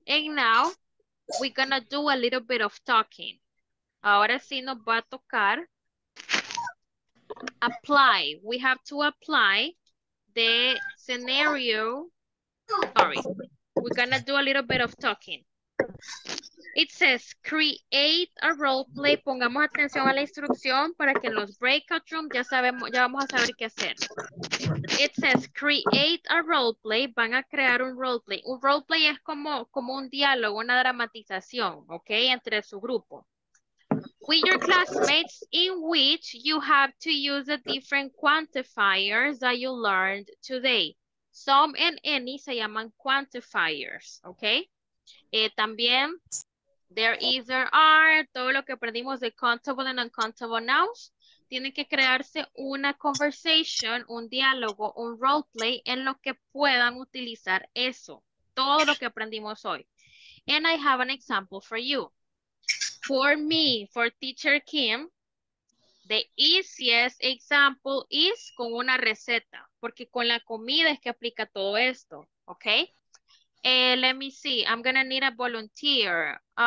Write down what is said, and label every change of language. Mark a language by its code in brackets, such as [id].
[en] And now, we're gonna do a little bit of talking. [es] Ahora sí nos va a tocar apply. [en] We have to apply the scenario. Sorry. We're gonna do a little bit of talking. It says create a role play. [es] Pongamos atención a la instrucción para que en los breakout rooms ya sabemos, ya vamos a saber qué hacer. [en] It says create a role play. [es] Van a crear un role play. Un role play es como un diálogo, una dramatización, ¿ok? Entre su grupo. [en] With your classmates, in which you have to use the different quantifiers that you learned today. Some and any [es] se llaman [en] quantifiers, ¿ok? [es] También [en] there is, there are, [es] todo lo que aprendimos de [en] countable and uncountable nouns. [es] Tiene que crearse una conversation, un diálogo, un role play en lo que puedan utilizar eso. Todo lo que aprendimos hoy. [en] And I have an example for you. For me, for teacher Kim, the easiest example is [es] con una receta. Porque con la comida es que aplica todo esto. [en] Okay? Let me see. I'm gonna need a volunteer.